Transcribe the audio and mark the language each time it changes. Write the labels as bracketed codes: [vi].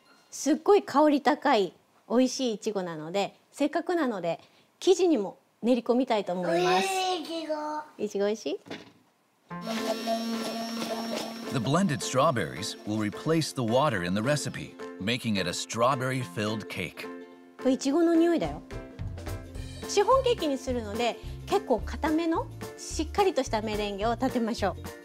[ja] すっごい香り高い美味しい苺なので、せっかくなので生地にも練り込みたいと思います。いちご美味しい?The [en] blended strawberries will replace the water in the recipe, making it a strawberry-filled cake. [ja] いちごの匂いだよ。シフォンケーキにするので、結構固めのしっかりとしたメレンゲを立てましょう。